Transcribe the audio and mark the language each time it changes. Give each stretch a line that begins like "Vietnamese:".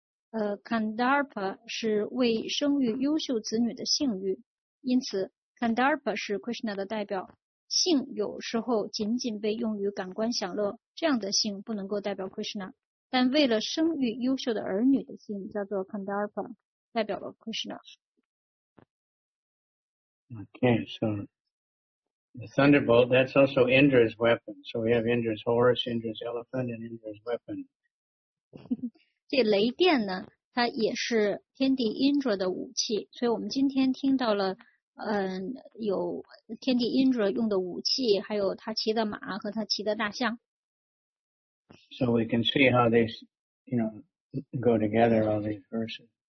Chinese: Kandarpa是为生育优秀子女的幸运, 因此Kandarpa是Krishna的代表, 性有时候仅仅被用于感官享乐, 这样的性不能够代表Krishna, 但为了生育优秀的儿女的性, 叫做Kandarpa, 代表了Krishna。
English: Okay, so the thunderbolt, that's also Indra's weapon. So we have Indra's horse, Indra's elephant, and Indra's weapon.
Chinese: 这雷电呢, 它也是天帝Indra的武器, 所以我们今天听到了, 有天帝Indra用的武器, 还有他骑的马和他骑的大象。
English: So we can see how they, you know, go together, all these verses.